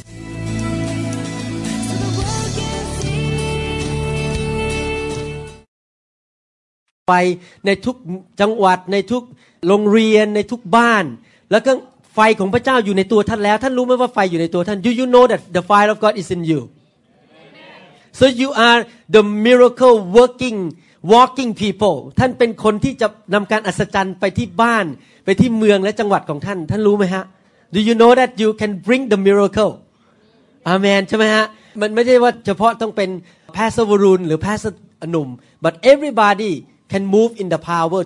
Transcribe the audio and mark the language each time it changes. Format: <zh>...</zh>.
<th>ไฟในทุกจังหวัดในทุกโรงเรียนในทุกบ้านแล้วก็ไฟของพระเจ้าอยู่ในตัวท่านแล้วท่านรู้ไหมว่าไฟอยู่ในตัวท่าน</th> <en>Do you know that the fire of God is in you? So you are the miracle working, walking people.</en> <th>ท่านเป็นคนที่จะนำการอัศจรรย์ไปที่บ้านไปที่เมืองและจังหวัดของท่านท่านรู้ไหมฮะ</th> <en>Do you know that you can bring the miracle?</en> <th>Amen ใช่ไหมฮะมันไม่ใช่ว่าเฉพาะต้องเป็นแพทย์วรุณหรือแพทย์หนุ่ม</th> <en>but everybodyCan move in the power.</en>